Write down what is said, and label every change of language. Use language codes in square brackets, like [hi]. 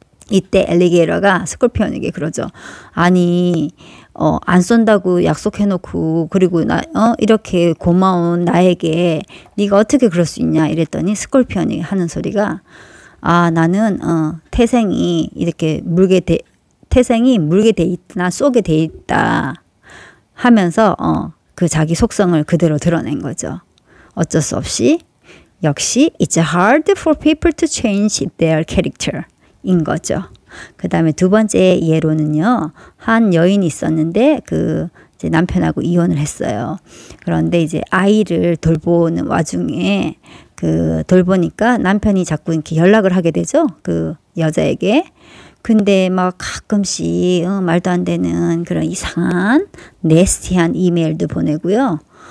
[ko] 이때 엘리게이러가 스콜피언에게 그러죠. 아니 안 쏜다고 약속해놓고 그리고 나 이렇게 고마운 나에게 네가 어떻게 그럴 수 있냐 이랬더니 스콜피언이 하는 소리가 아 나는 태생이 이렇게 물게 돼 태생이 물게 돼 있나 쏘게 돼 있다 하면서 그 자기 속성을 그대로 드러낸 거죠. 어쩔 수 없이 역시 [en] it's hard for people to change their character [ko] 인 거죠. 그 다음에 두 번째 예로는요. 한 여인이 있었는데 그 이제 남편하고 이혼을 했어요. 그런데 이제 아이를 돌보는 와중에 그 돌보니까 남편이 자꾸 이렇게 연락을 하게 되죠. 그 여자에게. 근데 막 가끔씩 말도 안 되는 그런 이상한 네스티한 이메일도 보내고요.